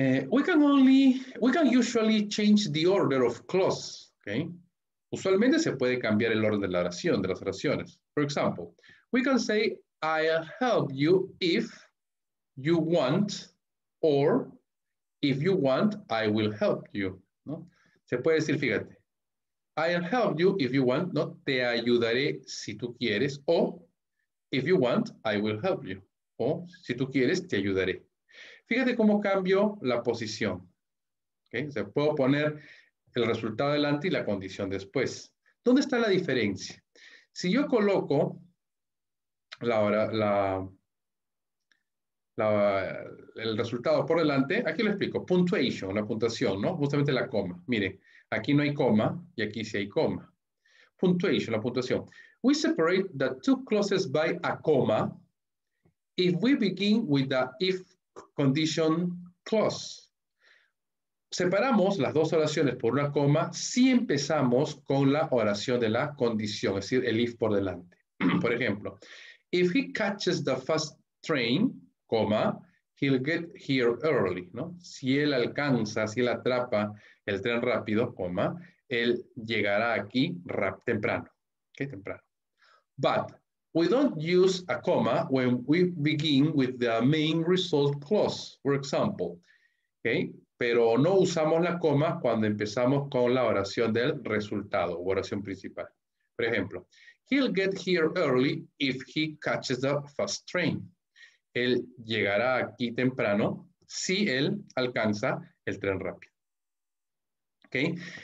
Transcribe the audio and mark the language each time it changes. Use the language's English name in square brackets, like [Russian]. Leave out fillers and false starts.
[English] We can usually change the order of clause. ¿Okay? [Spanish] Usualmente se puede cambiar el orden de la oración, de las oraciones. [English] For example, we can say, I'll help you if you want, or if you want, I will help you. [Spanish] ¿No? Se puede decir, fíjate, [English] I'll help you if you want, [Spanish] ¿no? Te ayudaré si tú quieres, o [English] if you want, I will help you, [Spanish] o si tú quieres, te ayudaré. Fíjate cómo cambio la posición. ¿Okay? O sea, puedo poner el resultado delante y la condición después. ¿Dónde está la diferencia? Si yo coloco el resultado por delante, aquí lo explico, punctuation, la puntuación, ¿no? Justamente la coma. Mire, aquí no hay coma y aquí sí hay coma. Punctuation, la puntuación. [English] We separate the two clauses by a comma if we begin with the if condition clause. [Spanish] Separamos las dos oraciones por una coma si empezamos con la oración de la condición, es decir, el if por delante. Por ejemplo, [English] if he catches the fast train, coma, he'll get here early, ¿no? [Spanish] Si él alcanza, si él atrapa el tren rápido, coma, él llegará aquí temprano. ¿Qué temprano? [English] But we don't use a comma when we begin with the main result clause. For example, ¿okay? [Spanish] Pero no usamos la coma cuando empezamos con la oración del resultado o oración principal. Por ejemplo, [English] he'll get here early if he catches the fast train. [Spanish] Él llegará aquí temprano si él alcanza el tren rápido. ¿Okay?